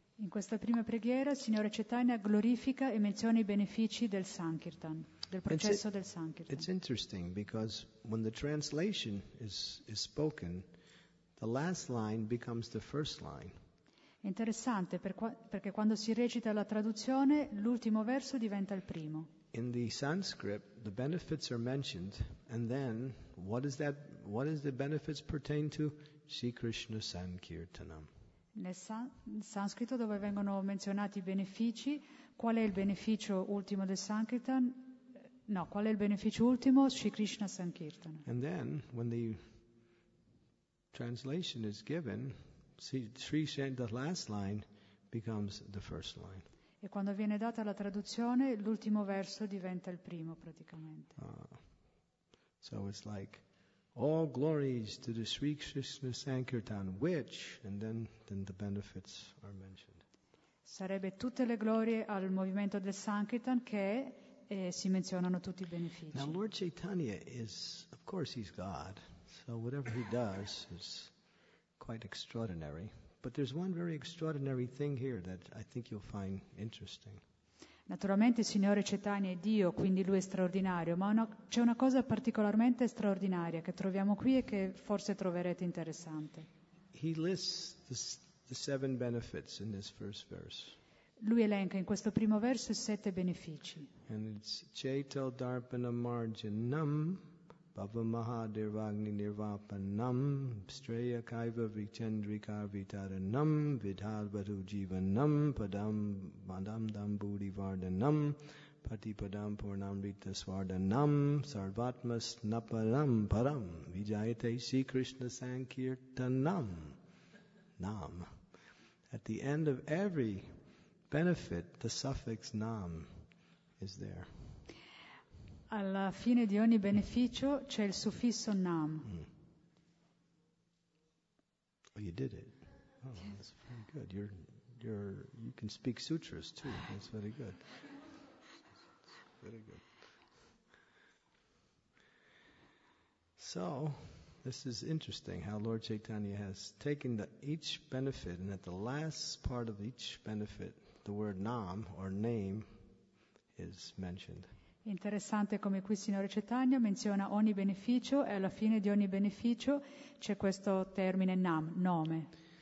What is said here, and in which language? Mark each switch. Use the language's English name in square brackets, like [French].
[Italian] In questa prima preghiera, il signore Chaitanya glorifica e menziona i benefici del Sankirtan, del processo del Sankirtan. [English] It's interesting because when the translation is spoken, the last line becomes the first line. [Italian] È interessante perché quando si recita la traduzione, l'ultimo verso diventa il primo. [English] In the Sanskrit, the benefits are mentioned, and then what is the benefits pertain to? [Sanskrit] Sri Krishna Sankirtanam. [Italian] Nel sanscrito, dove vengono menzionati i benefici, qual è il beneficio ultimo del Sankirtan? No, qual è il beneficio ultimo? [Sanskrit] Sri Krishna Sankirtanam. [English] And then, when the translation is given, the last line becomes the first line. [Italian] E quando viene data la traduzione, l'ultimo verso diventa il primo, praticamente. [English] So it's like, all glories to the Sri Krishna Sankirtan, which, and then the benefits are mentioned. [Italian] Sarebbe tutte le glorie al movimento del Sankirtan che si menzionano tutti i benefici. [English] Now Lord Chaitanya is, of course he's God, so whatever he does is quite extraordinary. But there's one very extraordinary thing here that I think you'll find interesting. [Italian] Naturalmente il Signore Chaitanya è Dio, quindi lui è straordinario, ma c'è una cosa particolarmente straordinaria che troviamo qui e che forse troverete interessante. [English] He lists the seven benefits in this first verse. [Italian] Lui elenca in questo primo verso i sette benefici. [English] And it's [Sanskrit] Chetal Darpana Marjanam Bhava Mahadirvagni Nirvapanam Straya Kaiva Vichendrika Vitaranam Vidhalvatu Jivanam Padam Madam Dambudi Vardanam Patipadam Purnamrita Swardanam Sarvatmas Napalam Param Vijayate Sri Krishna Sankirtanam Nam. [English] At the end of every benefit, the suffix nam is there. [Italian] Alla fine di ogni beneficio c'è il suffisso nam. Mm. [English] Oh, you did it. Oh, that's very good. You can speak sutras too. That's very good. Very good. So, this is interesting how Lord Chaitanya has taken each benefit, and at the last part of each benefit, the word nam or name is mentioned. [Italian] Interessante come qui Signore Chaitanya menziona ogni beneficio e alla fine di ogni beneficio c'è questo termine nam, nome.